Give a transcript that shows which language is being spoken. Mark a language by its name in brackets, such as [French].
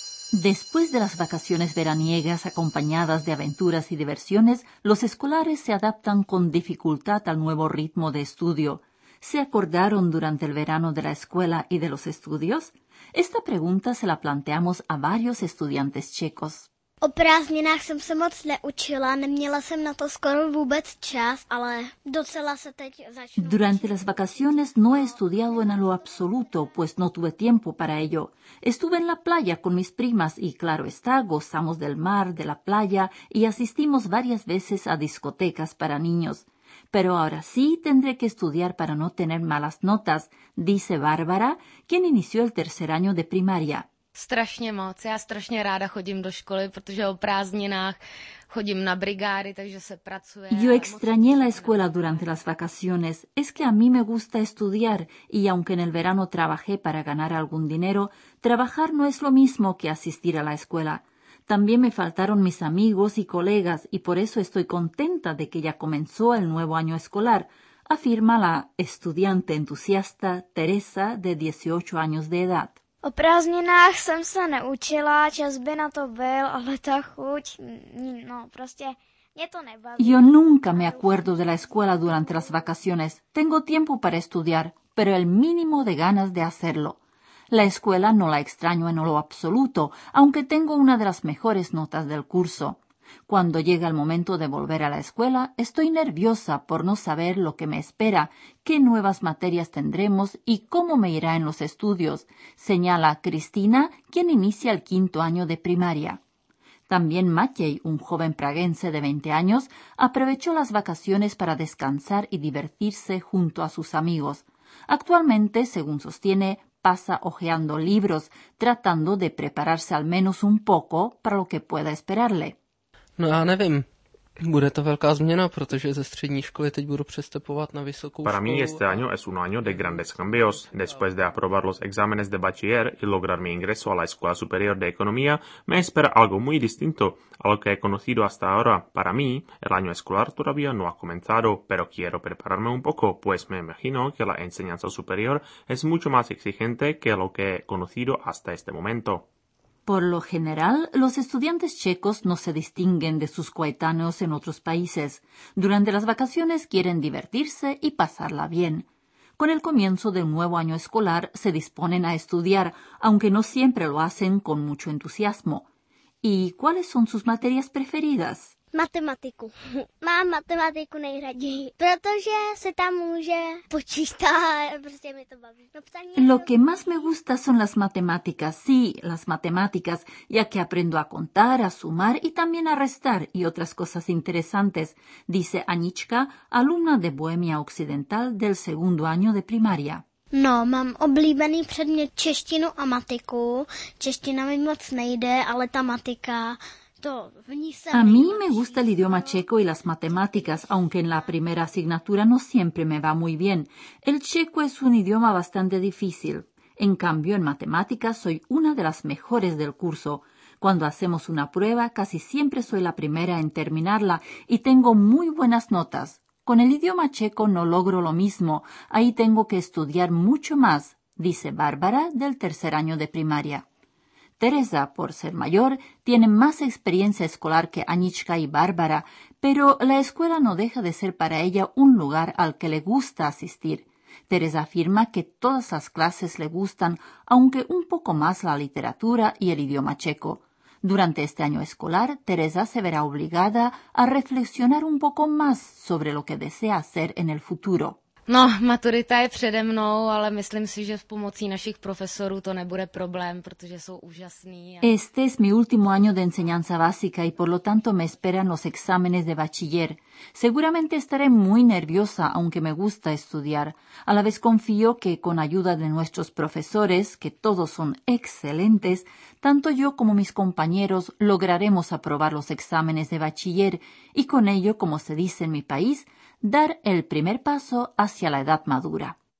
[Spanish] Después de las vacaciones veraniegas acompañadas de aventuras y diversiones, los escolares se adaptan con dificultad al nuevo ritmo de estudio. ¿Se acordaron durante el verano de la escuela y de los estudios? Esta pregunta se la planteamos a varios estudiantes checos. [Czech] O prázdninách jsem se moc neučila, neměla jsem na to skoro vůbec čas, ale docela se teď začnu. [Spanish] Durante las vacaciones no he estudiado en lo absoluto, pues no tuve tiempo para ello. Estuve en la playa con mis primas y claro está, gozamos del mar, de la playa y asistimos varias veces a discotecas para niños. Pero ahora sí tendré que estudiar para no tener malas notas, dice Bárbara, quien inició el tercer año de primaria. [Czech] Strašně moc. Já strašně ráda chodím do školy, protože o prázdninách chodím na brigády, takže se pracuje. [Spanish] Yo extrañé la escuela durante las vacaciones. Es que a mí me gusta estudiar y aunque en el verano trabajé para ganar algún dinero, trabajar no es lo mismo que asistir a la escuela. También me faltaron mis amigos y colegas y por eso estoy contenta de que ya comenzó el nuevo año escolar, afirma la estudiante entusiasta Teresa, de 18 años de edad. [Czech] O prázdninách jsem se neučila, čas by na to byl, ale ta chuť, no prostě, mě to nebaví. [Spanish] Yo nunca me acuerdo de la escuela durante las vacaciones. Tengo tiempo para estudiar, pero el mínimo de ganas de hacerlo. La escuela no la extraño en lo absoluto, aunque tengo una de las mejores notas del curso. Cuando llega el momento de volver a la escuela, estoy nerviosa por no saber lo que me espera, qué nuevas materias tendremos y cómo me irá en los estudios, señala Cristina, quien inicia el quinto año de primaria. También Maciej, un joven praguense de 20 años, aprovechó las vacaciones para descansar y divertirse junto a sus amigos. Actualmente, según sostiene, pasa hojeando libros, tratando de prepararse al menos un poco para lo que pueda esperarle. [Czech] No já nevím. Bude to velká změna, protože ze střední školy teď budu přestupovat na vysokou školu. [Spanish] Para mí este año es un año de grandes cambios. Después de aprobar los exámenes de bachiller y lograr mi ingreso a la Escuela Superior de Economía, me espera algo muy distinto a lo que he conocido hasta ahora. Para mí, el año escolar todavía no ha comenzado, pero quiero prepararme un poco, pues me imagino que la enseñanza superior es mucho más exigente que lo que he conocido hasta este momento. Por lo general, los estudiantes checos no se distinguen de sus coetáneos en otros países. Durante las vacaciones quieren divertirse y pasarla bien. Con el comienzo del nuevo año escolar, se disponen a estudiar, aunque no siempre lo hacen con mucho entusiasmo. ¿Y cuáles son sus materias preferidas? [Czech] Matematiku. Mám matematiku nejraději, protože se tam může počítat, prostě mi to baví. No, [Spanish] lo que más me gusta son las matemáticas, sí, las matemáticas, ya que aprendo a contar, a sumar y también a restar y otras cosas interesantes, dice Anička, alumna de Bohemia Occidental del segundo año de primaria. [Czech] No, mám oblíbený předmět češtinu a matiku. Čeština mi moc nejde, ale ta matika... [Spanish] A mí me gusta el idioma checo y las matemáticas, aunque en la primera asignatura no siempre me va muy bien. El checo es un idioma bastante difícil. En cambio, en matemáticas soy una de las mejores del curso. Cuando hacemos una prueba, casi siempre soy la primera en terminarla y tengo muy buenas notas. Con el idioma checo no logro lo mismo. Ahí tengo que estudiar mucho más, dice Bárbara, del tercer año de primaria. Teresa, por ser mayor, tiene más experiencia escolar que Anička y Bárbara, pero la escuela no deja de ser para ella un lugar al que le gusta asistir. Teresa afirma que todas las clases le gustan, aunque un poco más la literatura y el idioma checo. Durante este año escolar, Teresa se verá obligada a reflexionar un poco más sobre lo que desea hacer en el futuro. [Czech] No, maturita je přede mnou, ale myslím si, že s pomocí našich profesorů to nebude problém, protože jsou úžasní. [Spanish] Este es mi último año de enseñanza básica y por lo tanto me esperan los exámenes de bachiller. Seguramente estaré muy nerviosa, aunque me gusta estudiar. A la vez confío que con ayuda de nuestros profesores, que todos son excelentes, tanto yo como mis compañeros lograremos aprobar los exámenes de bachiller y con ello, como se dice en mi país, dar el primer paso hacia la edad madura.